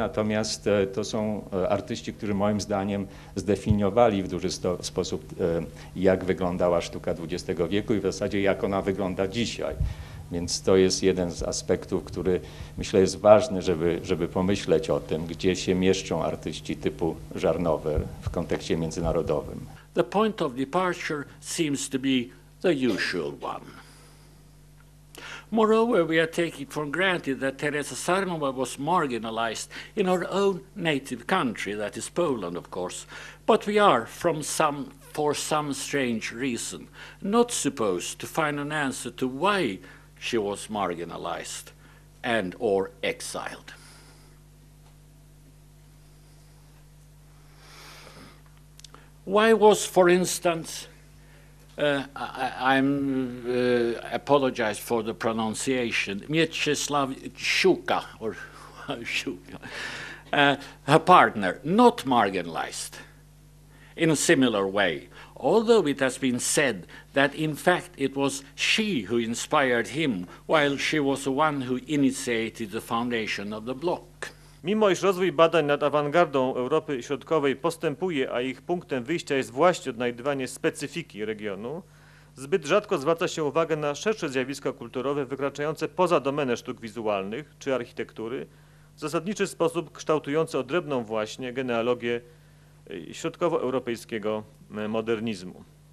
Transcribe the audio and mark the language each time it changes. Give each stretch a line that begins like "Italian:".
Polish: Natomiast to są artyści, którzy moim zdaniem zdefiniowali w duży sposób, jak wyglądała sztuka XX wieku i w zasadzie jak ona wygląda dzisiaj. Więc to jest jeden z aspektów, który myślę jest ważny, żeby pomyśleć o tym, gdzie się mieszczą artyści typu Żarnower w kontekście międzynarodowym.
English: The point of departure seems to be the usual one. Moreover, we are taking for granted that Teresa Żarnower was marginalized in her own native country, that is Poland, of course. But we are, for some strange reason, not supposed to find an answer to why she was marginalized and or exiled. Why was, for instance, I apologize for the pronunciation, Mieczysław Żuka, or Żuka, her partner, not marginalized in a similar way, although it has been said that in fact it was she who inspired him, while she was the one who initiated the foundation of the bloc.
Polish: Mimo iż rozwój badań nad awangardą Europy Środkowej postępuje, a ich punktem wyjścia jest właśnie odnajdywanie specyfiki regionu, zbyt rzadko zwraca się uwagę na szersze zjawiska kulturowe wykraczające poza domenę sztuk wizualnych czy architektury, w zasadniczy sposób kształtujące odrębną właśnie genealogię środkowoeuropejskiego modernizmu.